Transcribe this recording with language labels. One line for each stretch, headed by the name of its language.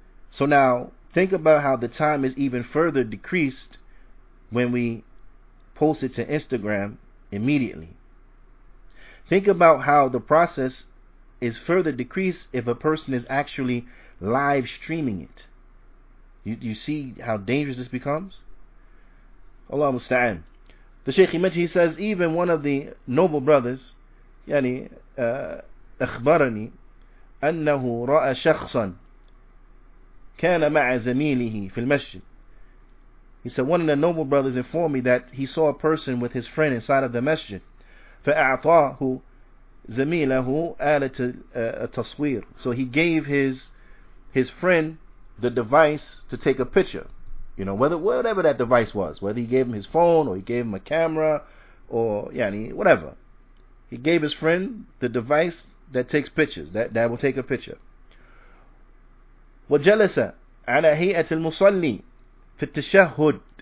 English: So now think about how the time is even further decreased when we post it to Instagram immediately. Think about how the process is further decreased if a person is actually live streaming it. You see how dangerous this becomes? Allah musta'an. The Sheikh he says, even one of the noble brothers,
Arabic: أخبرني أنه رأى شخصا كان مع زميله في المسجد.
English: He said, one of the noble brothers informed me that he saw a person with his friend inside of the masjid.
Arabic: فأعطاه زميله آلة التصوير.
English: So he gave his friend the device to take a picture. You know, whatever that device was, whether he gave him his phone or he gave him a camera or whatever. He gave his friend the device that takes pictures, that will take a picture.
Arabic: وَجَلَسَ عَلَى هَيْئَةِ الْمُصَلِّي فِي التَّشَهُّدِ.